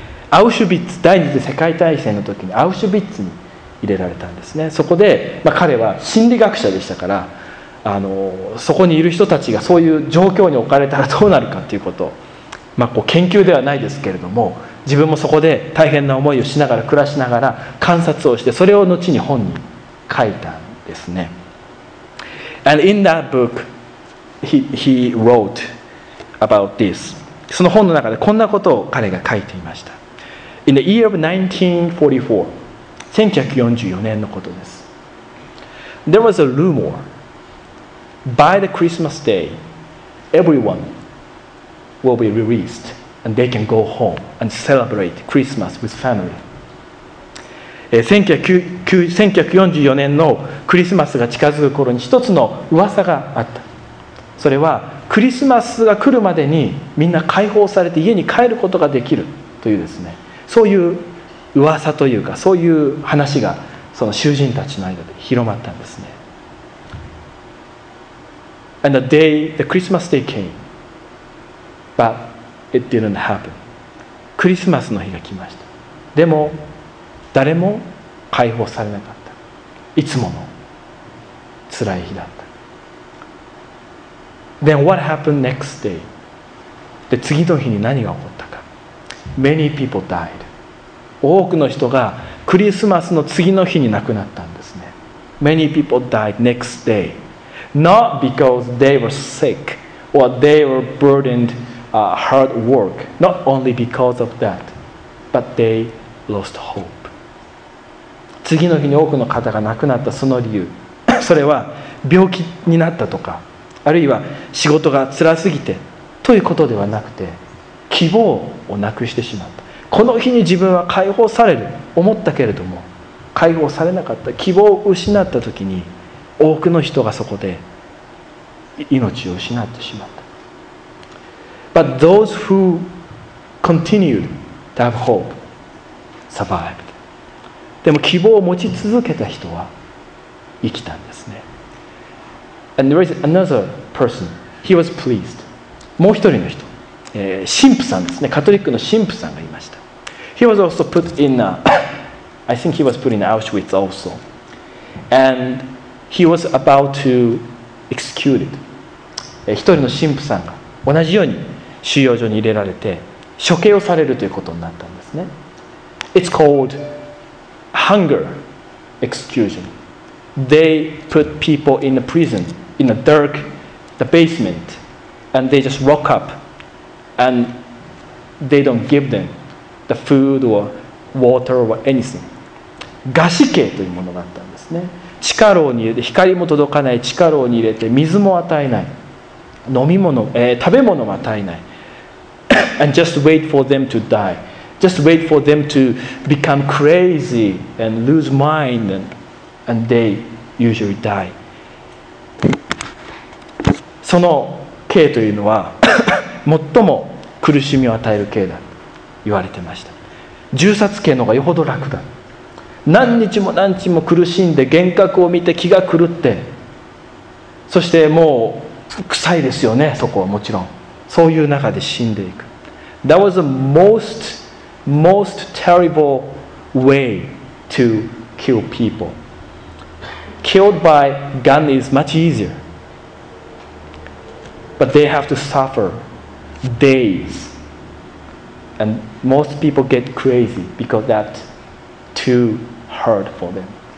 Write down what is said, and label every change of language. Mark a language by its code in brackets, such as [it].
[ja] アウシュビッツ、第二次世界大戦の時にアウシュビッツに入れられたんですね。そこで、彼は心理学者でしたから、そこにいる人たちがそういう状況に置かれたらどうなるかということを、こう研究ではないですけれども、自分もそこで大変な思いをしながら、暮らしながら観察をして、それを後に本に書いたんですね。 [en] And in that book he wrote about this. [ja] その本の中でこんなことを彼が書いていました。 [en] In the year of 1944, [ja] 1944年のことです。 [en] There was a rumor. By the Christmas day, everyone will be released and they can go home and celebrate Christmas with family. [ja] 1944年のクリスマスが近づく頃に一つの噂があった。それはクリスマスが来るまでにみんな解放されて家に帰ることができるというですね、そういう噂というか、そういう話がその囚人たちの間で広まったんですね。 [en] And the Christmas day came, but it didn't happen. [ja] クリスマスの日が来ました。でも誰も解放されなかった。いつもの辛い日だった。 [en] Then what happened next day? [ja] で、次の日に何が起こったか。 [en] Many people died. [ja] 多くの人がクリスマスの次の日に亡くなったんですね。 [en] Many people died next day. Not because they were sick or they were burdenedhard work, not only because of that, but they lost hope. [ja] 次の日に多くの方が亡くなったその理由、それは病気になったとか、あるいは仕事が辛すぎてということではなくて、希望をなくしてしまった。この日に自分は解放される思ったけれども、解放されなかった、希望を失った時に多くの人がそこで命を失ってしまった。 [en] But those who continued to have hope survived. [ja] でも希望を持ち続けた人は生きたんですね。 [en] And there is another person. He was pleased. [ja] もう一人の人、神父さんですね。カトリックの神父さんがいました。 [en] He was also put in a, I think he was put in Auschwitz also. And he was about to executed. [ja] 一人の神父さんが同じように収容所に入れられて処刑をされるということになったんですね。 [en] It's called hunger execution. They put people in a prison in a dark the basement and they just lock up and they don't give them the food or water or anything. [ja] 餓死刑というものだったんですね。地下牢に入れて光も届かない地下牢に入れて水も与えない、飲み物、食べ物も与えない。 [en] And just wait for them to die. Just wait for them to become crazy and lose mind and they usually die. [ja] その刑というのは最も苦しみを与える刑だと言われてました。銃殺刑の方がよほど楽だ。何日も何日も苦しんで幻覚を見て気が狂って、そしてもう臭いですよね、そこはもちろん。そういう中で死んでいく。 [en] That was the most, most terrible way to kill people. Killed by gun is much easier. But they have to suffer days. And most people get crazy because that's too hard for them.